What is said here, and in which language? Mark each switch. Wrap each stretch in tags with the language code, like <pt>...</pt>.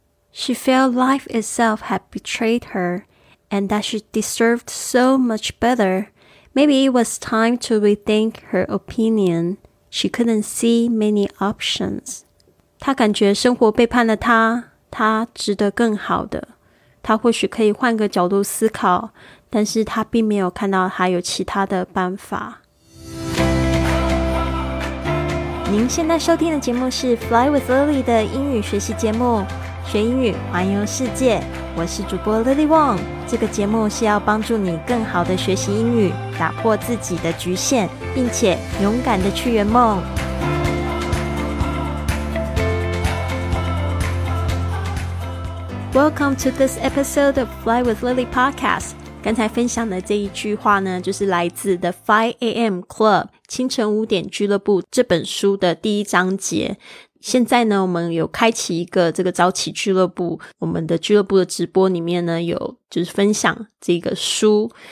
<en>She felt life itself had betrayed her, and that she deserved so much better. Maybe it was time to rethink her opinion. She couldn't see many options.</en> <zh>她感觉生活背叛了她，她值得更好的。她或许可以换个角度思考，但是她并没有看到还有其他的办法。您现在收听的节目是 Fly with Lily 的英语学习节目，学英语环游世界，我是主播 Lily Wong。这个节目是要帮助你更好的学习英语，打破自己的局限，并且勇敢的去圆梦。</zh> <en>Welcome to this episode of Fly with Lily Podcast。</en> <zh>刚才分享的这一句话呢，就是来自 The 5AM Club 清晨五点俱乐部这本书的第一章节。现在呢，我们有开启一个这个早起俱乐部，我们的俱乐部的直播里面呢，有就是分享这个书。</zh>